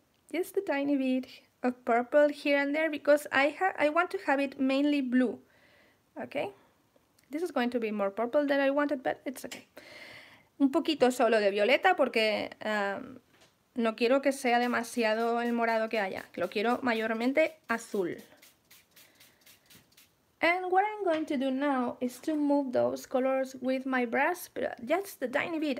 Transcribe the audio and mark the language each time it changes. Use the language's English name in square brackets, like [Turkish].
[English] Just a tiny bit of purple here and there because I want to have it mainly blue. Okay? This is going to be more purple than I wanted, but it's okay. [Spanish] Un poquito solo de violeta porque no quiero que sea demasiado el morado que haya. Lo quiero mayormente azul. [English] And what I'm going to do now is to move those colors with my brush, but just a tiny bit.